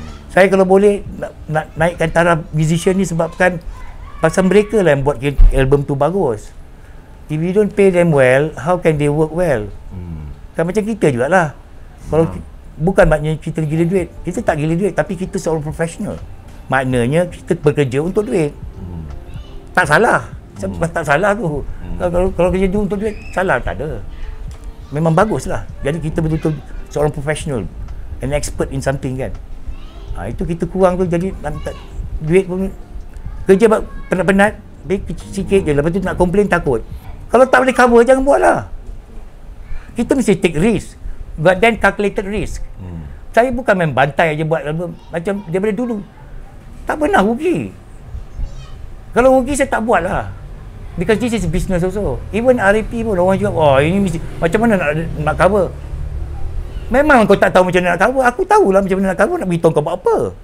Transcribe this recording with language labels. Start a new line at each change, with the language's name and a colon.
Malay: Saya kalau boleh nak naikkan taraf musician ni sebabkan pasal mereka lah yang buat album tu bagus.
English: If you don't pay them well, how can they work well?
Malay: Kan macam kita jugalah. Kalau bukan maknanya kita gila duit. Kita tak gila duit, tapi kita seorang professional. Maknanya kita bekerja untuk duit. Tak salah. Tak salah tu. Kalau kerja untuk duit, salah tak ada. Memang baguslah. Jadi kita betul-betul seorang profesional.
English: an expert in something
Malay: kan. Ha, itu kita kurang tu, jadi duit pun kerja penat-penat, baik sikit je, lepas tu nak komplain takut. Kalau tak boleh cover, jangan buat lah. Kita mesti
English: take risk, but then calculated risk.
Malay: Saya bukan main bantai aja buat album, macam daripada dulu. Tak pernah rugi. Kalau rugi, saya tak buat lah.
English: Because this is business also. Even RAP
Malay: pun, orang juga, wah, ini mesti, macam mana nak cover? Memang kau tak tahu macam mana nak cover. Aku tahulah macam mana nak cover, nak beritahu kau buat apa.